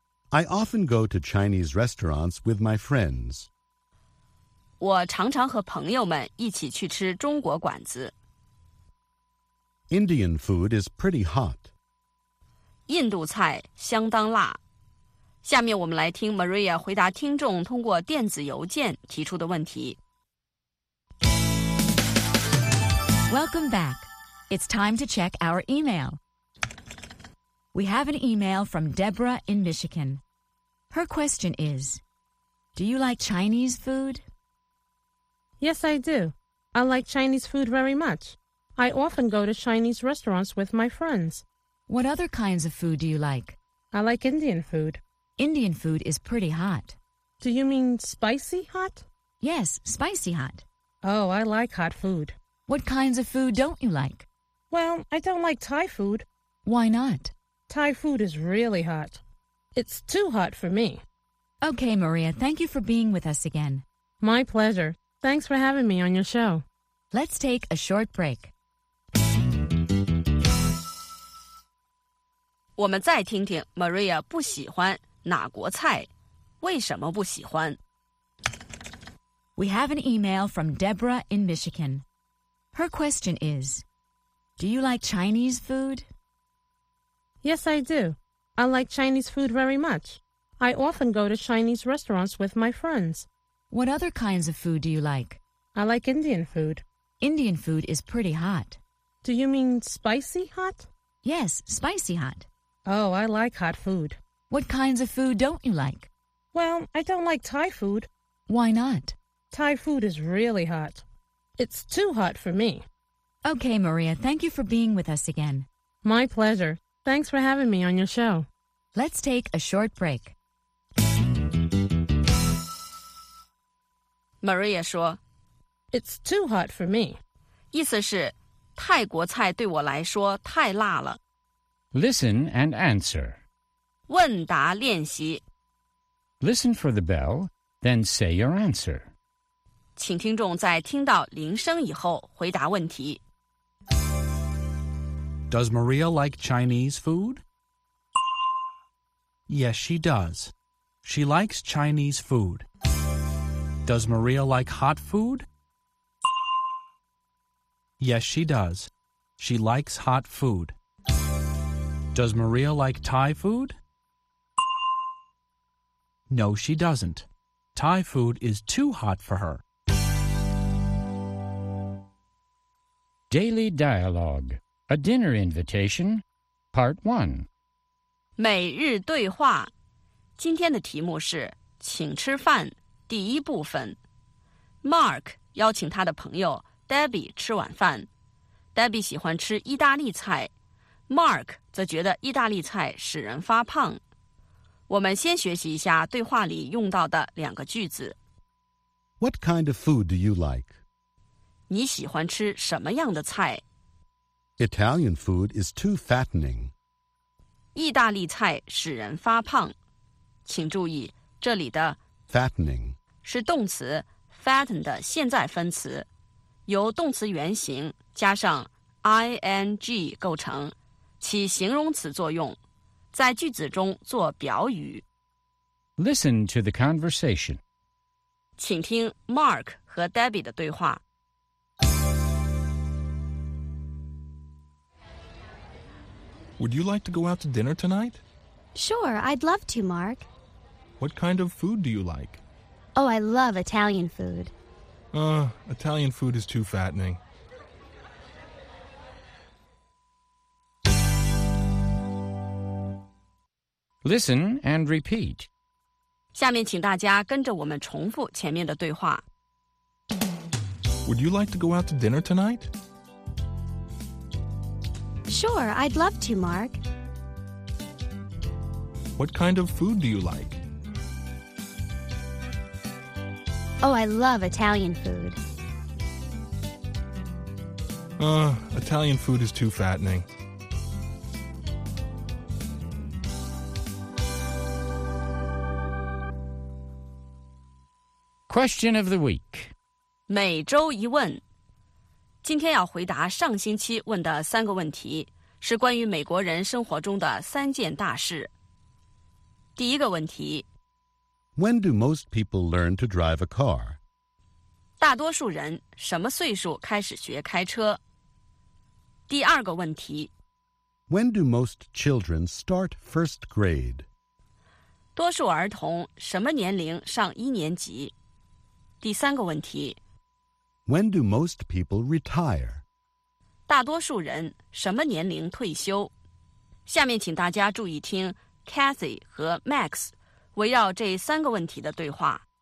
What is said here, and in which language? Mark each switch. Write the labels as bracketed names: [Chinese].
[English] I often go to Chinese restaurants with my friends. [Chinese] 我常常和朋友们一起去吃中国馆子。 [English] Indian food is pretty hot. [Chinese] 印度菜相当辣。下面我们来听 Maria 回答听众通过电子邮件提出的问题。 [English] Welcome back. It's time to check our email. We have an email from Deborah in Michigan. Her question is, do you like Chinese food? Yes, I do. I like Chinese food very much. I often go to Chinese restaurants with my friends. What other kinds of food do you like? I like Indian food. Indian food is pretty hot. Do you mean spicy hot? Yes, spicy hot. Oh, I like hot food. What kinds of food don't you like? Well, I don't like Thai food. Why not? Thai food is really hot. It's too hot for me. Okay, Maria, thank you for being with us again. My pleasure. Thanks for having me on your show. Let's take a short break. [Chinese] 我们再听听 Maria 不喜欢哪国菜，为什么不喜欢？ [English] We have an email from Deborah in Michigan. Her question is, do you like Chinese food? Yes, I do. I like Chinese food very much. I often go to Chinese restaurants with my friends. What other kinds of food do you like? I like Indian food. Indian food is pretty hot. Do you mean spicy hot? Yes, spicy hot. Oh, I like hot food. What kinds of food don't you like? Well, I don't like Thai food. Why not? Thai food is really hot. It's too hot for me. Okay, Maria, thank you for being with us again. My pleasure. Thanks for having me on your show. Let's take a short break. [Chinese] Maria 说 [English] It's too hot for me. [Chinese] 意思是泰国菜对我来说太辣了。 [English] Listen and answer. [Chinese] 问答练习。 [English] Listen for the bell, then say your answer. [Chinese] 请听众在听到铃声以后回答问题。 [English] Does Maria like Chinese food? Yes, she does. She likes Chinese food. Does Maria like hot food? Yes, she does. She likes hot food. Does Maria like Thai food? No, she doesn't. Thai food is too hot for her. Daily Dialogue. A Dinner Invitation, Part 1. [Chinese] 每日对话，今天的题目是请吃饭第一部分。 Mark 邀请他的朋友 Debbie 吃晚饭。 Debbie 喜欢吃意大利菜， Mark 则觉得意大利菜使人发胖。我们先学习一下对话里用到的两个句子。 [English] What kind of food do you like? [Chinese] 你喜欢吃什么样的菜？ [English] Italian food is too fattening. [Chinese] 意大利菜使人发胖。请注意，这里的 [English] fattening [Chinese] 是动词 fatten 的现在分词，由动词原形加上 ing 构成，起形容词作用，在句子中做表语。 [English] Listen to the conversation. [Chinese] 请听 Mark 和 Debbie 的对话。 [English] Would you like to go out to dinner tonight? Sure, I'd love to, Mark. What kind of food do you like? Oh, I love Italian food. Italian food is too fattening. Listen and repeat. [Chinese] 下面请大家跟着我们重复前面的对话。 [English] Would you like to go out to dinner tonight? Sure, I'd love to, Mark. What kind of food do you like? Oh, I love Italian food. Italian food is too fattening. Question of the week. [Chinese] 每周一问。今天要回答上星期问的三个问题。是关于美国人生活中的三件大事。第一个问题 [English] When do most people learn to drive a car? [Chinese] 大多数人什么岁数开始学开车？第二个问题 [English] When do most children start first grade? [Chinese] 多数儿童什么年龄上一年级？第三个问题 [English] When do most people retire? [Chinese] 大多数人什么年龄退休？下面请大家注意听 Cathy 和 Max 围绕这三个问题的对话。